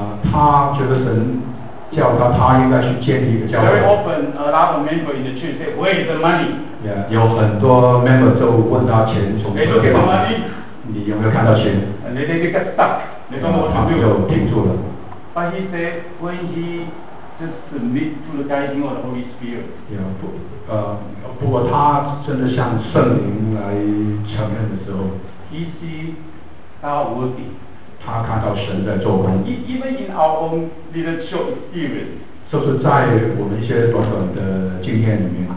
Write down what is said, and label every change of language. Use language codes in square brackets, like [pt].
[zh] 他觉得神叫他应该去建立一个教会。 [en] Very often a lot of members in the church say, where is the money? [zh] Yeah, 有很多 member 就问他钱从哪里来。你有没有看到钱？你 [en] get stuck， [zh] 你懂我讲没有？就停住了。 [en] But he said when he just submit to the guiding of the Holy Spirit. [zh] Yeah, 不过他真的向圣灵来承认的时候 [en] ，he see God working. [zh] 他看到神在做工。 [en] Even in our own little short experience. [zh] 就是在我们一些短短的经验里面。